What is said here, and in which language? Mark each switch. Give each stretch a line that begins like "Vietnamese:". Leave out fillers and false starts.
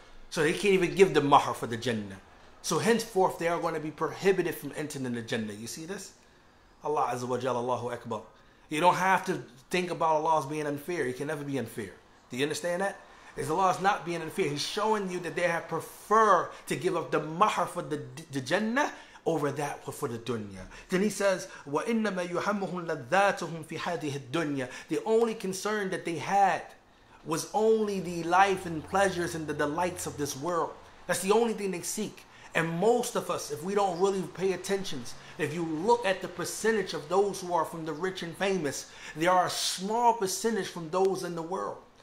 English: So they can't even give the mahr for the Jannah. So henceforth, they are going to be prohibited from entering the Jannah. You see this? Allah Azza wa Jalla, Allahu Akbar. You don't have to think about Allah as being unfair. He can never be unfair. Do you understand that? As Allah is not being unfair, He's showing you that they have preferred to give up the mahr for the Jannah over that for the dunya. Then he says,
Arabic: وَإِنَّمَا يُحَمُّهُمْ لَذَّاتُهُمْ فِي هَذِهِ الدُّنْيَا.
English: The only concern that they had was only the life and pleasures and the delights of this world. That's the only thing they seek. And most of us, if we don't really pay attention, if you look at the percentage of those who are from the rich and famous, there are a small percentage from those in the world.